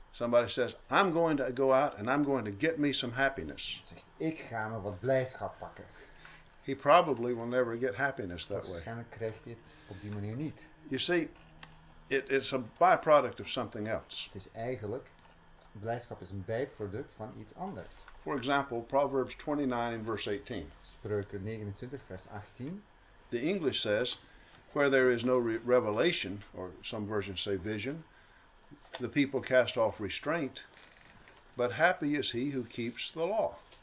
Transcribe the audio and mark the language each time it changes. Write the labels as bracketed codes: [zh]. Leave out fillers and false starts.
[en] Somebody says, I'm going to go out and I'm going to get me some happiness. [nl] Ik ga me wat blijdschap pakken. [en] He probably will never get happiness that way. [nl] Waarschijnlijk krijgt hij het op die manier niet. [en] You see, it's a byproduct of something else. [nl] Het is eigenlijk, blijdschap is een bijproduct van iets anders. [en] For example, Proverbs 29 in verse 18. [nl] Spreuken 29 vers 18. [en] The English says, where there is no revelation, or some versions say vision, the people cast off restraint, but happy is he who keeps the law.